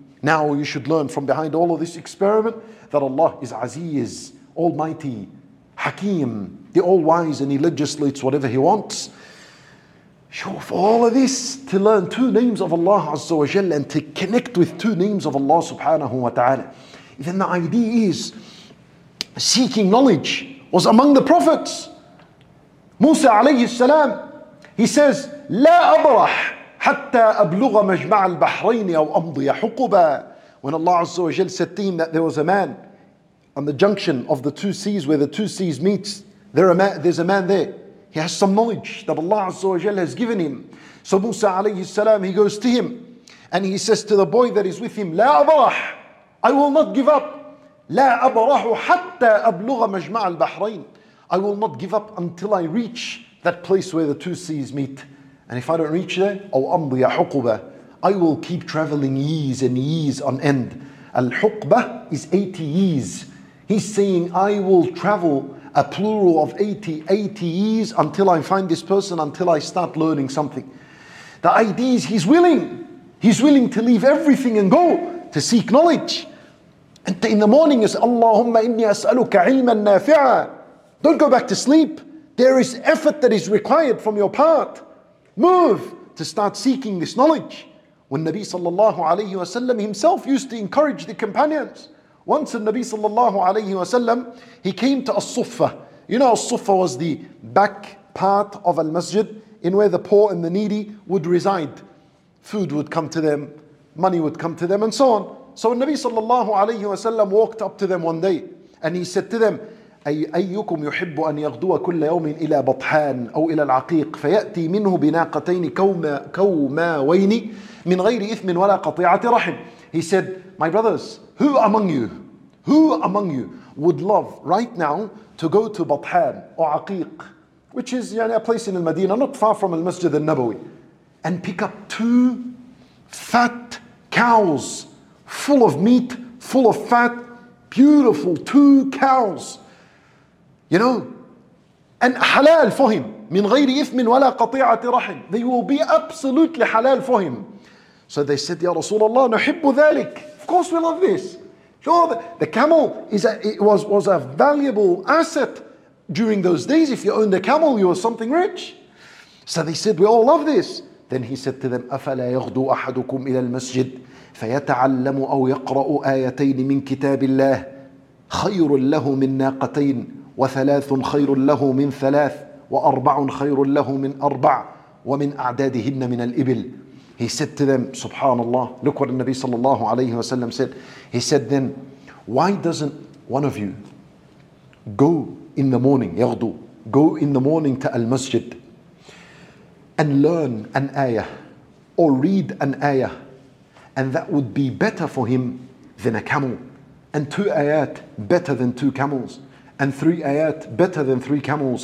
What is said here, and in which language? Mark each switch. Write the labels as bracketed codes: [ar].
[en] Now you should learn from behind all of this experiment that Allah is Aziz, Almighty, Hakim, the All-Wise, and He legislates whatever He wants. Show for all of this to learn 2 names of Allah Azza wa Jal and to connect with 2 names of Allah Subhanahu wa Ta'ala. Then the idea is, seeking knowledge was among the prophets. Musa alayhi salam, he says, [ar] لَا أَبْرَحْ حَتَّى أَبْلُغَ مَجْمَعَ الْبَحْرَيْنِ أَوْ أَمْضِيَ حُقُبًا. [en] When Allah Azza wa Jal said to him that there was a man on the junction of the 2 seas where the 2 seas meet, there's a man there. He has some knowledge that Allah Azza wa Jal has given him. So Musa alayhi salam, he goes to him and he says to the boy that is with him, [ar] لَا أَبْرَحْ, [en] I will not give up. [ar] لَا أَبْرَحُ حَتَّى أَبْلُغَ مَجْمَعَ الْبَحْرَيْنِ. [en] I will not give up until I reach that place where the 2 seas meet. And if I don't reach there, [ar] أَوْ أَمْضِيَ حُقُبَةً, [en] I will keep traveling years and years on end. Al-Huqba is 80 years. He's saying, I will travel a plural of 80 years until I find this person, until I start learning something. The idea is he's willing. He's willing to leave everything and go to seek knowledge. And in the morning, you say, [ar] Allahumma inni as'aluka ilman nafi'a. [en] Don't go back to sleep. There is effort that is required from your part. Move to start seeking this knowledge. When Nabi sallallahu alayhi wa sallam himself used to encourage the companions. Once the Nabi sallallahu alayhi wa sallam, he came to As-Suffah. You know, As-Suffah was the back part of Al-Masjid in where the poor and the needy would reside. Food would come to them, money would come to them, and so on. So the Nabi sallallahu alayhi wa sallam walked up to them one day and he said to them, [ar] أيكم يحب أن يغدو كل يوم إلى بطحان أو إلى العقيق فيأتي منه بناقتين كوماوين من غير إثم ولا قطيعة رحم. [en] He said, my brothers, who among you would love right now to go to Bathan or Aqiq, which is yani, a place in Al-Madinah, not far from Al-Masjid Al-Nabawi, and pick up 2 fat cows full of meat, full of fat, beautiful 2 cows. You know, and halal for him. [ar] مِنْ غَيْرِ إِثْمٍ وَلَا قَطِيعَةِ رَحِمٍ. [en] They will be absolutely halal for him. So they said, Ya Rasulullah, [ar] نُحِبُّ ذَلِكَ. [en] Of course we love this. Sure, the camel was a valuable asset during those days. If you owned a camel, you were something rich. So they said, we all love this. Then he said to them, [ar] أَفَلَا يَغْدُو أَحَدُكُمْ إِلَى الْمَسْجِدِ فَيَتَعَلَّمُ أَوْ يَقْرَأُ آيَتَيْنِ مِنْ كِتَابِ اللَّهِ خَيْرٌ لَهُ مِنْ نَاقَتَيْنِ وثلاث خير له من ثلاث وأربع خير له من أربع ومن أعدادهن من الإبل. [en] He said to them, Subhanallah, look what the Nabi sallallahu alayhi wa sallam said. He said then, why doesn't one of you go in the morning, yaghdu, go in the morning to al-masjid and learn an ayah or read an ayah, and that would be better for him than a camel, and two ayat better than two camels, and three ayat better than three camels.